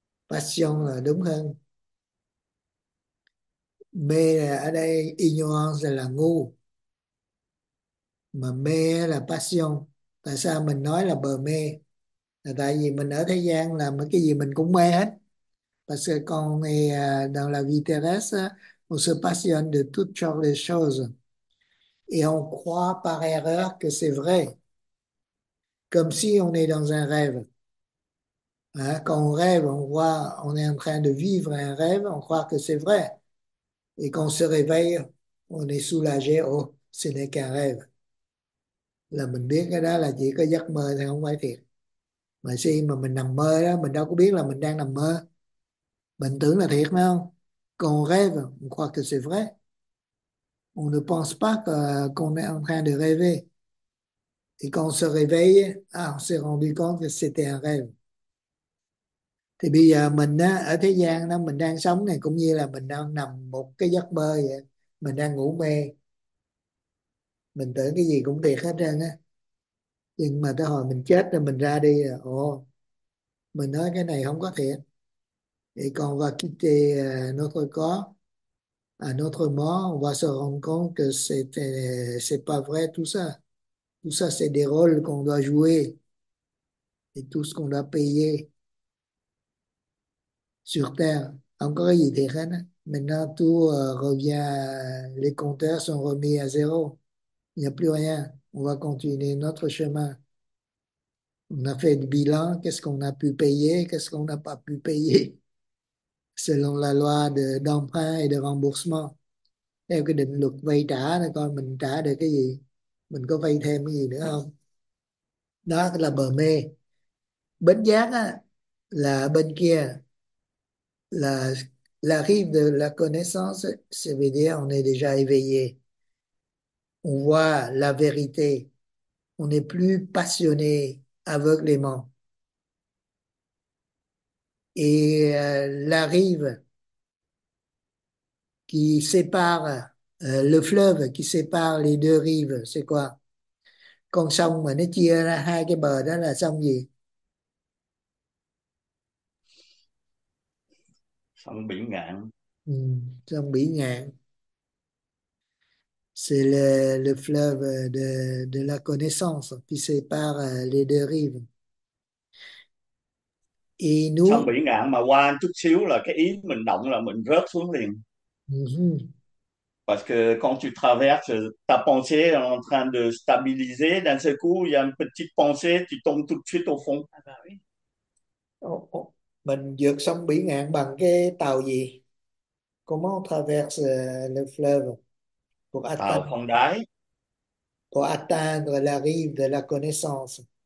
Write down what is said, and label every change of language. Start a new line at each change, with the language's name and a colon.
Vietnamese: passion là đúng hơn, mê là ở đây ignorance là ngu, mà mê là passion. Tại sao mình nói là bờ mê? Là tại vì mình ở thế gian là mấy cái gì mình cũng mê hết.
French: Parce qu'on est dans la vie terrestre, on se passionne de toutes sortes de choses. Et on croit par erreur que c'est vrai. Comme si on est dans un rêve. Hein? Quand on rêve, on voit, on est en train de vivre un rêve, on croit que c'est vrai. Et quand on se réveille, on est soulagé, oh, ce n'est qu'un rêve.
Vietnamese: Là mình biết cái đó là chỉ có giấc mơ thôi, không phải thiệt. Mà khi mà mình nằm mơ đó, mình đâu có biết là mình đang nằm mơ. Mình tưởng là thiệt phải không?
French: Còn rêve, on croit que c'est vrai. On ne pense pas qu'on est en train de rêver. Et quand on se réveille, ah, on s'est rendu compte que c'était un rêve.
Vietnamese: Thì bây giờ mình ở thế gian đó, mình đang sống này cũng như là mình đang nằm một cái giấc mơ vậy. Mình đang ngủ mê. Mình tưởng cái gì cũng thiệt hết trơn á. Nhưng mà tới hồi mình chết rồi mình ra đi, ồ, mình nói cái này không có thiệt.
French: Et quand on va quitter notre corps, à notre mort, on va se rendre compte que c'est pas vrai tout ça. Tout ça, c'est des rôles qu'on doit jouer et tout ce qu'on doit payer sur Terre. Encore une idée, hein? Maintenant, tout revient, les compteurs sont remis à zéro. Il n'y a plus rien. On va continuer notre chemin. On a fait le bilan. Qu'est-ce qu'on a pu payer? Qu'est-ce qu'on n'a pas pu payer? Selon la loi d'emprunt et de remboursement,
Vietnamese: theo cái định luật vay trả này, coi mình trả được cái gì, mình có vay thêm cái gì nữa không. Đó là bờ mê. Bến giác á, là bên kia, là
French: la rive de la connaissance, ça veut dire on est déjà éveillé, on voit la vérité, on n'est plus passionné aveuglément. Et la rive qui sépare le fleuve qui sépare les deux rives, c'est quoi?
Vietnamese: Con sông mà nó chia ra hai cái bờ đó là sông gì? Sông biển Ngạn. Sông Bỉ Ngạn.
French: C'est le fleuve de la connaissance qui sépare les deux rives. Et
Vietnamese: Sông
French: nous,
Vietnamese: biển Ngạn mà qua chút xíu là cái ý mình động là mình rớt xuống liền.
French: Parce que quand tu traverses, ta pensée est en train de stabiliser. D'un seul coup, il y a une petite pensée, tu tombes tout de suite au fond.
Vietnamese: mình vượt sông Bỉ Ngạn bằng cái tàu gì?
French: Comment traverse le fleuve
Vietnamese: Tàu không đáy.
French: pour atteindre la rive de la connaissance?